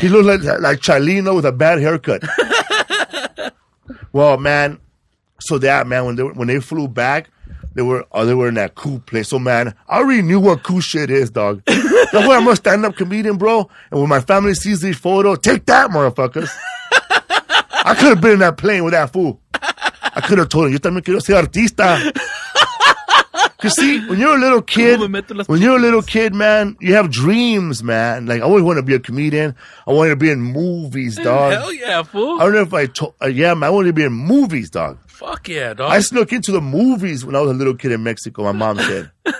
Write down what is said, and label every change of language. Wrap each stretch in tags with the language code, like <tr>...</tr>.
<en>He looked like Chalino with a bad haircut. Well, man, so that, man, when they flew back, They were in that cool place. So, man, I already knew what cool shit is, dog. That's why I'm a stand-up comedian, bro. And when my family sees these photos, take that, motherfuckers. I could have been in that plane with that fool. I could have told him,</en> <es>yo también quiero ser artista.</es> <en>Because, see, when you're a little kid, man, you have dreams, man. Like, I always want to be a comedian. I want to be in movies, dog. Hell yeah, fool. I don't know if I told... Yeah, man, I want to be in movies, dog. Fuck yeah, dog. I snuck into the movies when I was a little kid in Mexico, my mom said.</en>